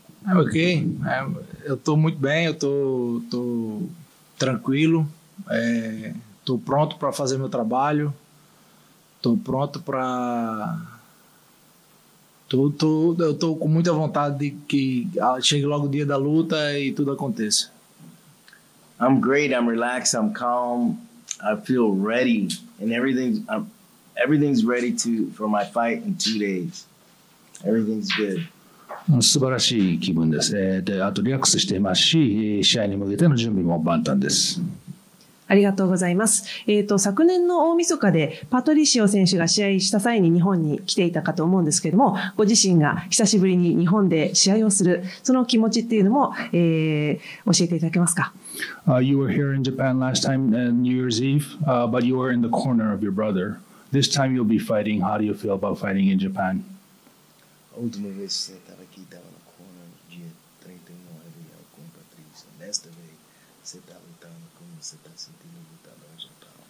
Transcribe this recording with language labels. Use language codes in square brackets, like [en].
[pt] Ok, eu estou muito bem, eu estou tranquilo, estou pronto para fazer meu trabalho, estou pronto para... eu estou com muita vontade de que chegue logo o dia da luta e tudo aconteça. [en] I'm great, I'm relaxed, I'm calm, I feel ready, and everything's ready to for my fight in 2 days. Everything's good. [ja] 素晴らしい気分です。あとリラックスしていますし、試合に向けての準備も万端です。ありがとうございます。昨年の大晦日でパトリシオ選手が試合した際に日本に来ていたかと思うんですけれども、ご自身が久しぶりに日本で試合をする、その気持ちっていうのも、教えていただけますか。 [en] You were here in Japan last time, New Year's Eve, but you were in the corner of your brother. This time you'll be fighting. How do you feel about fighting in Japan? [pt] Última vez que você estava aqui, estava na corner, dia 39, com o Patrícia. Nesta vez, você está lutando, como você está sentindo lutando hoje em dia?